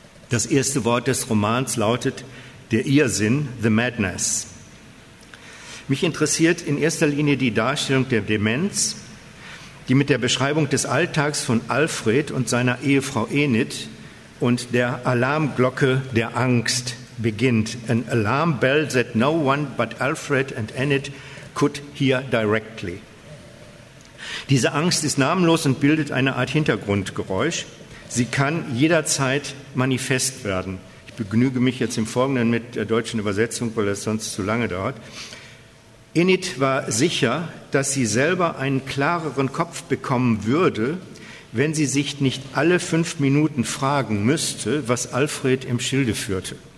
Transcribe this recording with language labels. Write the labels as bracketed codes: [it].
[de] Das erste Wort des Romans lautet der Irrsinn, [en] the madness. [de] Mich interessiert in erster Linie die Darstellung der Demenz, die mit der Beschreibung des Alltags von Alfred und seiner Ehefrau Enid und der Alarmglocke der Angst beginnt. [en] An alarm bell that no one but Alfred and Enid could hear directly. [de] Diese Angst ist namenlos und bildet eine Art Hintergrundgeräusch. Sie kann jederzeit manifest werden. Ich begnüge mich jetzt im Folgenden mit der deutschen Übersetzung, weil es sonst zu lange dauert. Enid war sicher, dass sie selber einen klareren Kopf bekommen würde, wenn sie sich nicht alle 5 Minuten fragen müsste, was Alfred im Schilde führte.